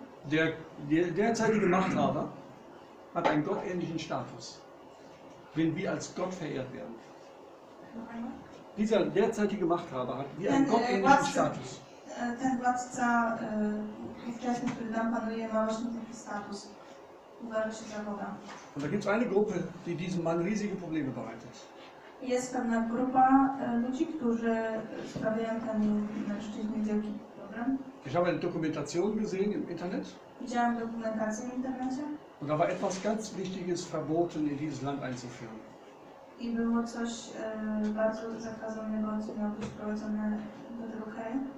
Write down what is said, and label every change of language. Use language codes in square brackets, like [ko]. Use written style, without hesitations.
[de] Der derzeitige Machthaber hat einen gottähnlichen Status, wenn wir als Gott verehrt werden. Dieser derzeitige Machthaber hat wie einen gottähnlichen Status. [pl] Ten władca, ówczesny, który tam panuje, ma właśnie taki status. Uważa się za Boga. [de] Und da gibt's eine Gruppe, die diesem Mann riesige Probleme bereitet. [pl] Jest pewna grupa ludzi, którzy sprawiają ten mężczyźnie wielki problem. [de] Ich habe eine Dokumentation gesehen im Internet. [pl] Widziałem dokumentację w internecie. [de] Und da war etwas ganz Wichtiges verboten, in dieses Land einzuführen. [pl] I było coś bardzo zakazanego, co miało być wprowadzone do tego kraju.